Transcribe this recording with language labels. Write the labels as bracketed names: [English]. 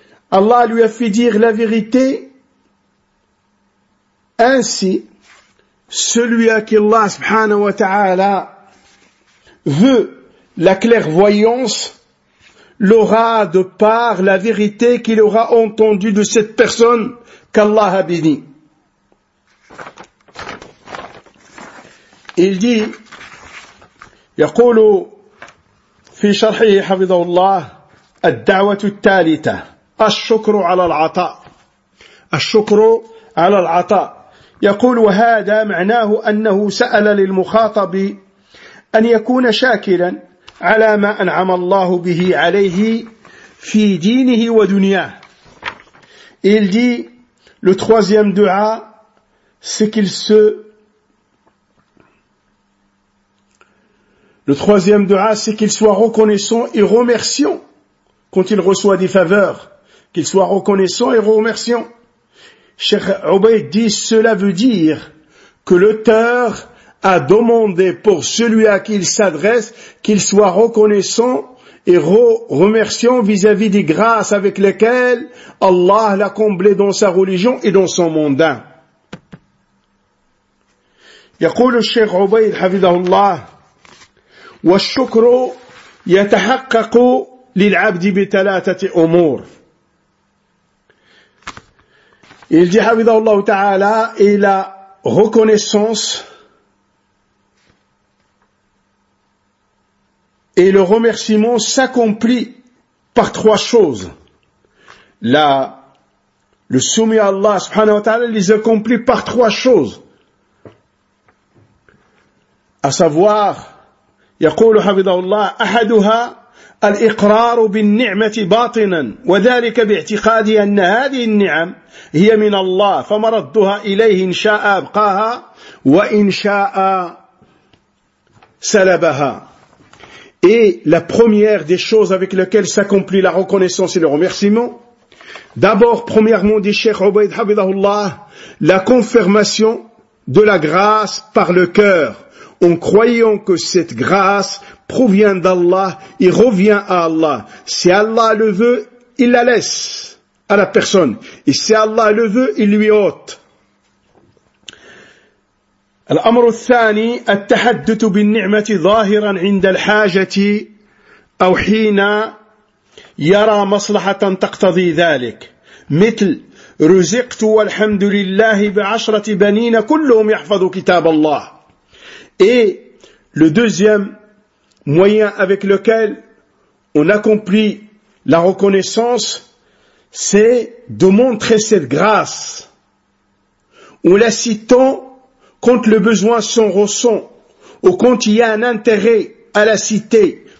[French] Allah lui a fait dire la vérité ainsi celui à qui Allah [Arabic] subhanahu wa ta'ala [French] veut la clairvoyance l'aura de par la vérité qu'il aura entendue de cette personne qu'Allah a béni. Il dit, [Arabic] يقول في شرحه حفظه الله الدعوة الثالثة الشكر على العطاء الشكر على العطاء. يقول وهذا معناه أنه سأل للمخاطب أن يكون شاكرا على ما أنعم الله به عليه في دينه ودنياه. [French] Il dit, le troisième dua, c'est qu'il se Le troisième dua, c'est qu'il soit reconnaissant et remerciant quand il reçoit des faveurs. Qu'il soit reconnaissant et remerciant. Cheikh Ubaid dit, cela veut dire que l'auteur a demandé pour celui à qui il s'adresse qu'il soit reconnaissant et remerciant vis-à-vis des grâces avec lesquelles Allah l'a comblé dans sa religion et dans son mandat. [Arabic] يقول الشيخ عبيد حفظه الله والشكر يتحقق للعبد بثلاثة أمور. [French] Il dit [Arabic] حفظه الله تعالى [French] et la reconnaissance et le remerciement s'accomplit par trois choses. Le soumis à Allah [Arabic] سبحانه وتعالى [French] les accomplit par trois choses. À savoir, [Arabic] يقول حفظه الله أحدها الإقرار بالنعمة باطنا وذلك باعتقاد أن هذه النعم هي من الله فمردها إليه إن شاء أبقاها وإن شاء سلبها. [French] Et la première des choses avec lesquelles s'accomplit la reconnaissance et le remerciement, d'abord, premièrement, dit Cheikh Ubaid [Arabic] حفظه الله, [French] la confirmation de la grâce par le cœur, en croyant que cette grâce provient d'Allah et revient à Allah. Si Allah le veut, il la laisse à la personne. Et si Allah le veut, il lui ôte. [Arabic] الأمر الثاني التحدث بالنعمة ظاهرا عند الحاجة أو حين يرى مصلحة تقتضي ذلك. مثل رزقت والحمد لله بعشرة بنين كلهم يحفظ كتاب الله. [French] Et le deuxième moyen avec lequel on accomplit la reconnaissance, c'est de montrer cette grâce en la citant quand le besoin s'en ressent ou quand il y a un intérêt à la citer.